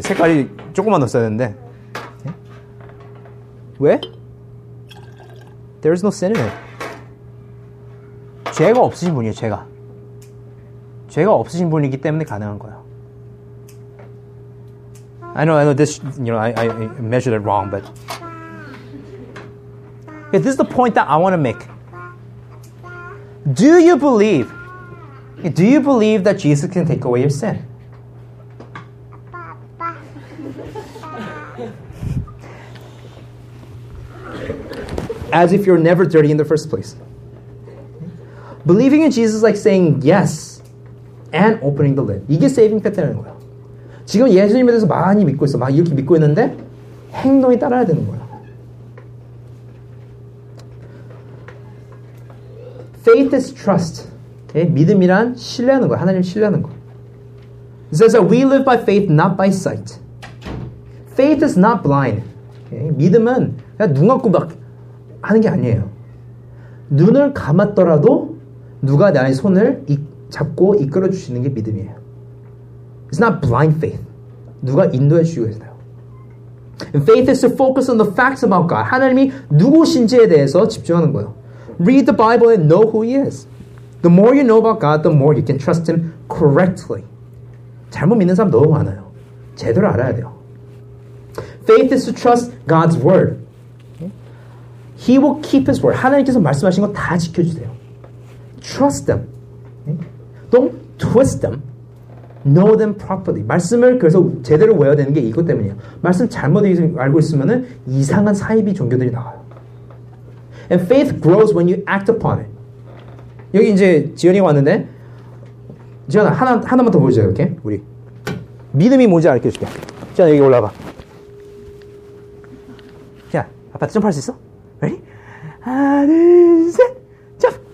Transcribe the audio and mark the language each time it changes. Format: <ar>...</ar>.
<ko>색깔이 조금만 넣었어야 되는데. 예? 왜?</ko> <en>There is no sin in it.</en> <ko>죄가 없으신 분이에요, 죄가. 죄가 없으신 분이기 때문에 가능한 거예요.</ko> <en>I know this, you know, I measured it wrong, but yeah, this is the point that I want to make. Do you believe that Jesus can take away your sin? As if you're never dirty in the first place. Believing in Jesus is like saying yes and opening the lid.</en> <ko>이게 saving faith라는 거야. 지금 예수님에 대해서 많이 믿고 있어. 막 이렇게 믿고 있는데 행동이 따라야 되는 거야.</ko> <en>Faith is trust. Okay?</en> <ko>믿음이란 신뢰하는 거야. 하나님 신뢰하는 거.</ko> <en>It says that we live by faith, not by sight. Faith is not blind. Okay?</en> <ko>믿음은 그냥 눈 감고 막 하는 게 아니에요. 눈을 감았더라도 누가 나의 손을 잡고 이끌어 주시는 게 믿음이에요.</ko> <en>It's not blind faith.</en> <ko>누가 인도해 주시고 있어요.</ko> <en>And faith is to focus on the facts about God.</en> <ko>하나님이 누구신지에 대해서 집중하는 거예요.</ko> <en>Read the Bible and know who he is. The more you know about God, the more you can trust him correctly.</en> <ko>잘못 믿는 사람 너무 많아요. 제대로 알아야 돼요.</ko> <en>Faith is to trust God's word. He will keep his word.</en> <ko>하나님께서 말씀하신 거 다 지켜주세요.</ko> <en>Trust them. Don't twist them. Know them properly.</en> <ko>말씀을 그래서 제대로 외워야 되는 게 이것 때문이에요. 말씀 잘못 알고 있으면은 이상한 사이비 종교들이 나와요.</ko> <en>And faith grows when you act upon it.</en> <ko>여기 이제 지연이가 왔는데 지연아 하나만 더 보여줘요. 이렇게 우리 믿음이 뭔지 알려줄게. 지연아 여기 올라와봐. 야 아빠 점프할 수 있어? 하나, 둘, 셋, 점!</ko>